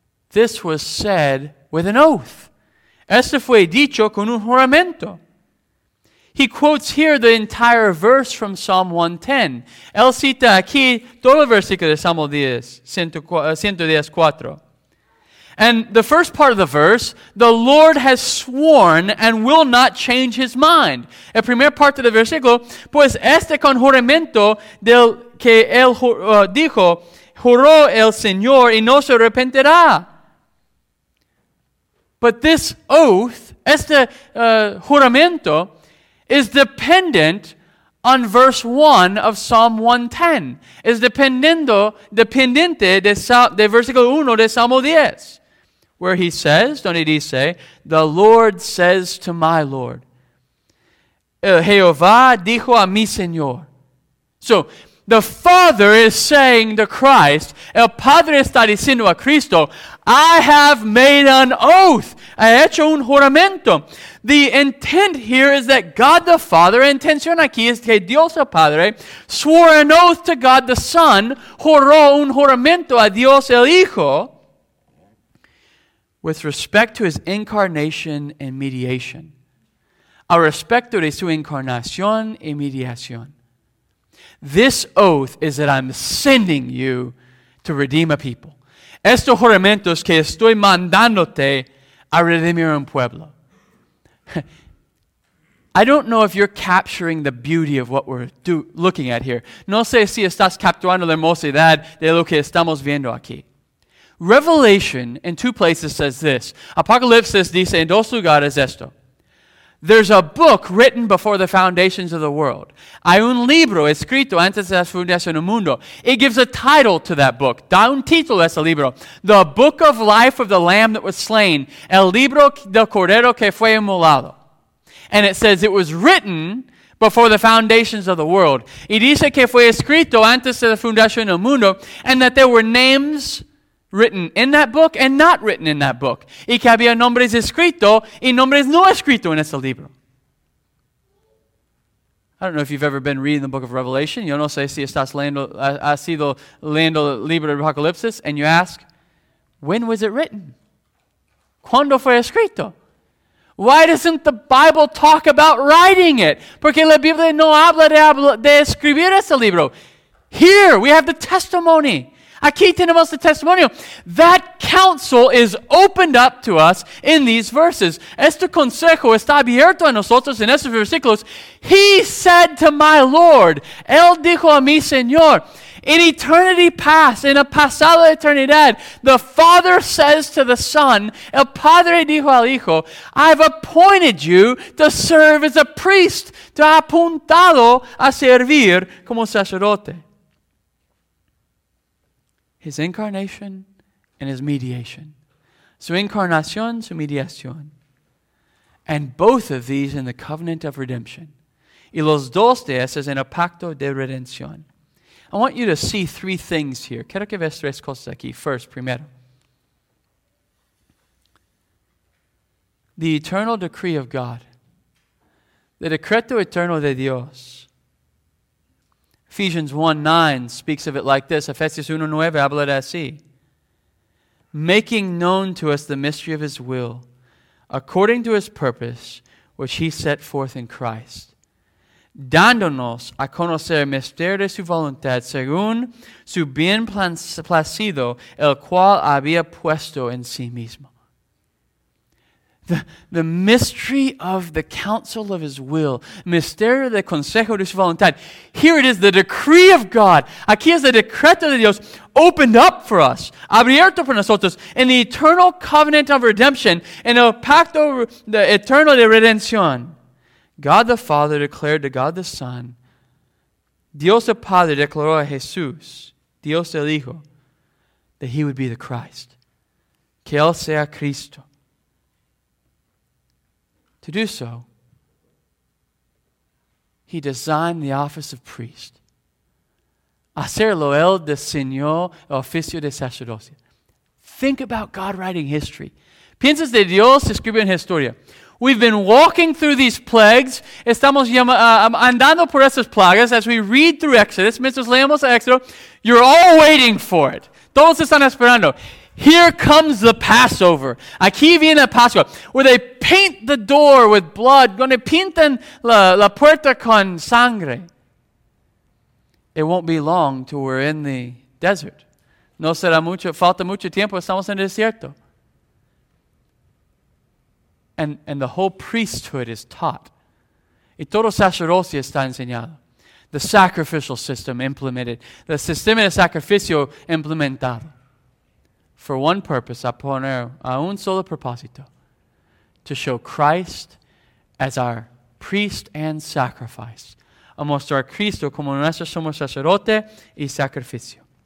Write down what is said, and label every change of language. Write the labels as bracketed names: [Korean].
[English] This was said with an oath. [Spanish] Esto fue dicho con un juramento. [English] He quotes here the entire verse from Psalm 110. [Spanish] Él cita aquí todo el versículo de Salmo 110:4. [English] And the first part of the verse, the Lord has sworn and will not change his mind. [Spanish] El primer parte del versículo, pues este con juramento del que él dijo, juró el Señor y no se arrepentirá. [English] But this oath, [Spanish] este juramento, [English] is dependent on verse 1 of Psalm 110. [Spanish] Es dependiente de versículo 1 de Salmo 10. [English] Where he says, [Spanish] donde dice, [English] the Lord says to my Lord. [Spanish] El Jehová dijo a mi Señor. [English] So, the Father is saying to Christ, [Spanish] el Padre está diciendo a Cristo, [English] I have made an oath. [Spanish] He hecho un juramento. [English] The intent here is that God the Father, [Spanish] intención aquí es que Dios el Padre, [English] swore an oath to God the Son, [Spanish] juró un juramento a Dios el Hijo, [English] with respect to his incarnation and mediation. [Spanish] A respecto de su incarnación y mediación. [English] This oath is that I'm sending you to redeem a people. [Spanish] Estos juramentos que estoy mandándote a redimir un pueblo. [English] I don't know if you're capturing the beauty of what we're looking at here. [Spanish] No sé si estás capturando la hermosidad de lo que estamos viendo aquí. [English] Revelation in two places says this. [Spanish] Apocalypse dice en dos lugares esto. [English] There's a book written before the foundations of the world. [Spanish] Hay un libro escrito antes de las fundaciones del mundo. [English] It gives a title to that book. [Spanish] Da un título a ese libro. [English] The Book of Life of the Lamb that was slain. [Spanish] El libro del cordero que fue inmolado. [English] And it says it was written before the foundations of the world. [Spanish] Y dice que fue escrito antes de las fundaciones del mundo. [English] And that there were names written in that book and not written in that book. [Spanish] Y que había nombres escrito y nombres no escrito en ese libro. [English] I don't know if you've ever been reading the book of Revelation. [Spanish] Yo no sé si estás leyendo, has sido leyendo el libro de Apocalipsis, [English] and you ask, when was it written? [Spanish] ¿Cuándo fue escrito? [English] Why doesn't the Bible talk about writing it? [Spanish] Porque la Biblia no habla de escribir ese libro. [English] Here, we have the testimony. [Spanish] Aquí tenemos el testimonio. [English] That counsel is opened up to us in these verses. [Spanish] Este consejo está abierto a nosotros en estos versículos. [English] He said to my Lord, [Spanish] Él dijo a mi Señor, [English] in eternity past, in a [Spanish] pasado eternidad, [English] the Father says to the Son, [Spanish] el Padre dijo al Hijo, [English] I've appointed you to serve as a priest, [Spanish] te ha apuntado a servir como sacerdote. [English] His incarnation and his mediation. [Spanish] Su incarnación, su mediación. [English] And both of these in the covenant of redemption. [Spanish] Y los dos de esos en el pacto de redención. [English] I want you to see three things here. [Spanish] Quiero que veas tres cosas aquí. [English] First, [Spanish] primero. The eternal decree of God. The decreto eterno de Dios. [English] Ephesians 1:9 speaks of it like this. Ephesians 1:9 [Spanish] habla de así. [English] Making known to us the mystery of his will, according to his purpose, which he set forth in Christ. [Spanish] Dándonos a conocer el misterio de su voluntad, según su bien placido, el cual había puesto en sí mismo. [English] The mystery of the counsel of his will. [Spanish] Misterio del consejo de su voluntad. [English] Here it is, the decree of God. [Spanish] Aquí es el decreto de Dios [English] opened up for us. [Spanish] Abierto para nosotros [English] in the eternal covenant of redemption. In [Spanish] el pacto de eterno de redención. [English] God the Father declared to God the Son. [Spanish] Dios el Padre declaró a Jesús. Dios el Hijo. [English] that he would be the Christ. [Spanish] Que él sea Cristo. [English] To do so, he designed the office of priest. [Spanish] Hacerlo él diseñó el oficio de sacerdocio. [English] Think about God writing history. [Spanish] Piensas de Dios escribe en historia. [English] We've been walking through these plagues. [Spanish] Estamos andando por esas plagas [English] as we read through Exodus. [Spanish] Mientras leemos Exodus, [English] you're all waiting for it. [Spanish] Todos están esperando. [English] Here comes the Passover. [Spanish] Aquí viene la Pascua. [English] Where they paint the door with blood. [Spanish] Donde pintan la puerta con sangre. [English] It won't be long till we're in the desert. [Spanish] No será mucho, falta mucho tiempo. Estamos en el desierto. [English] And the whole priesthood is taught. [Spanish] Y todo sacerdocio está enseñado. The sacrificial system implemented. The sistema de sacrificio implementado. [English] For one purpose, [Spanish] a poner a un solo propósito. [English] To show Christ as our priest and sacrifice. [Spanish] A mostrar a Cristo como nuestro sumo sacerdote y sacrificio.